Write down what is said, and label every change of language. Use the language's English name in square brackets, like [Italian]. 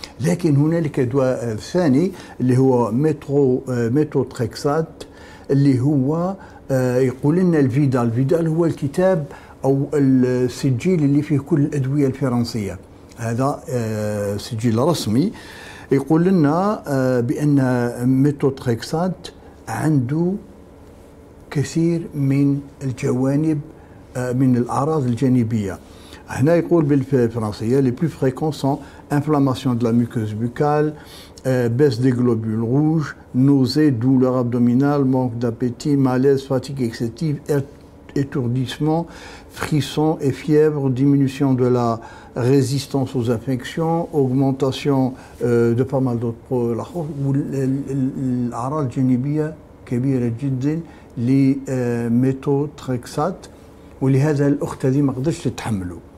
[Arabic] لكن هنالك دواء ثاني اللي هو ميثوتريكسات اللي هو يقول لنا الفيدال هو الكتاب او السجل اللي فيه كل الأدوية الفرنسية، هذا سجل رسمي يقول لنا بان ميثوتريكسات عنده كثير من الجوانب من الأعراض الجانبية. هنا يقول بالفرنسية [French] les plus fréquents sont inflammation de la muqueuse buccale, baisse des globules rouges, nausées, douleurs abdominales, manque d'appétit, malaise, fatigue excessive, étourdissement, frissons et fièvre, diminution de la résistance aux infections, augmentation de pas mal d'autres problèmes. [Arabic] الأعراض الجانبية كبيرة جدا لميثوتريكسات، ولهذا الأخت هذه ما قدرتش تتحمله.